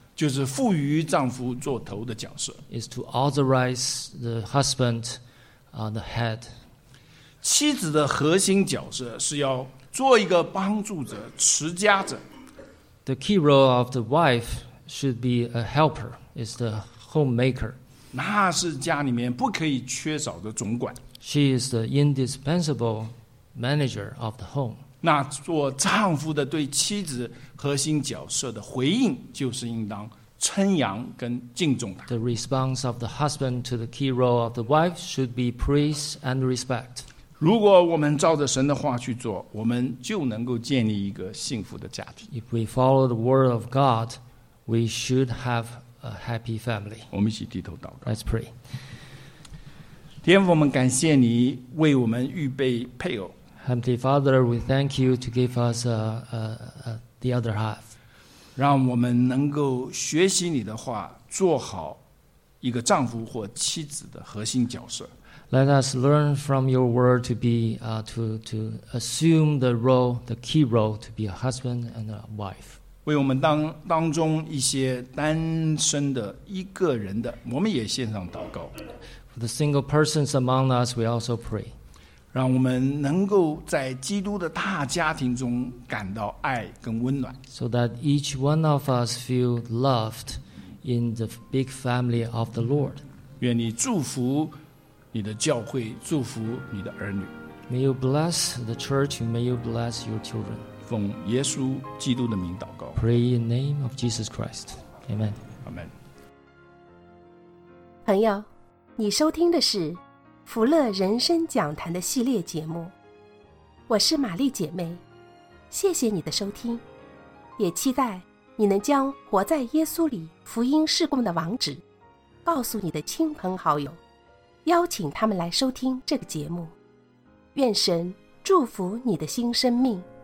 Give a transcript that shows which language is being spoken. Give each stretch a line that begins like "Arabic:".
Chinese: 就是赋予丈夫做头的角色。
English: Is to authorize the husband, the head.
Chinese: 妻子的核心角色是要做一个帮助者，持家者。
English: The key role of the wife should be a helper, is the homemaker.
Chinese: 那是家里面不可以缺少的总管。
English: She is the indispensable manager of the home.
Chinese: 那做丈夫的对妻子核心角色的回应，就是应当称扬跟敬重她。
English: The response of the husband to the key role of the wife should be praise and respect.
Chinese: 如果我们照着神的话去做，我们就能够建立一个幸福的家庭。
English: If we follow the word of God, we should have a happy family.
Chinese: 我们一起低头祷告。
English: Let's pray.
Chinese: 天父，我们感谢你为我们预备配偶。
English: Heavenly Father, we thank you to give us the other half.
Chinese: 让我们能够学习你的话，做好一个丈夫或妻子的核心角色。
English: Let us learn from your word to be, to assume the role, the key role, to be a husband and a wife.
Chinese: 为我们当中一些单身的一个人的，我们也献上祷告。
English: For the single persons among us, we also pray.
Chinese: 让我们能够在基督的大家庭中感到爱跟温暖。
English: So that each one of us feel loved in the big family of the Lord.
Chinese: 愿你祝福。你的教会祝福你的儿女。
English: May you bless the church, may you bless your children.
Chinese: 奉耶稣基督的名祷告。
English: Pray in the name of Jesus Christ. Amen. Amen.
Chinese: 朋友，你收听的是福乐人生讲坛的系列节目。我是玛丽姐妹，谢谢你的收听，也期待你能将活在耶稣里福音事工的网址告诉你的亲朋好友，邀请他们来收听这个节目。愿神祝福你的新生命。